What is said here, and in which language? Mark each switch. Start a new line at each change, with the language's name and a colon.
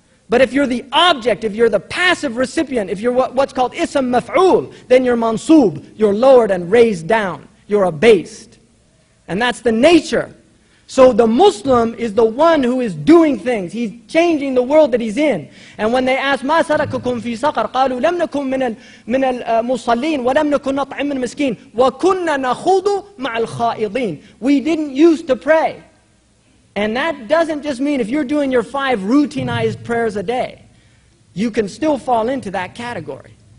English: But if you're the object, if you're the passive recipient, if you're what's called ism maf'ul, then you're mansub, you're lowered and raised down, you're abased. And that's the nature. So the Muslim is the one who is doing things. He's changing the world that he's in. And when they ask,
Arabic: مَا سَلَكُكُمْ فِي سَقَرْ قَالُوا لَمْ نَكُمْ مِنَ الْمُصَلِّينَ وَلَمْ نَكُنْ نَطْعِمْ مِنَ الْمِسْكِينَ وَكُنَّ نَخُوضُ مَعَ الْخَائِضِينَ
English: We didn't used to pray. And that doesn't just mean if you're doing your five routinized prayers a day, you can still fall into that category.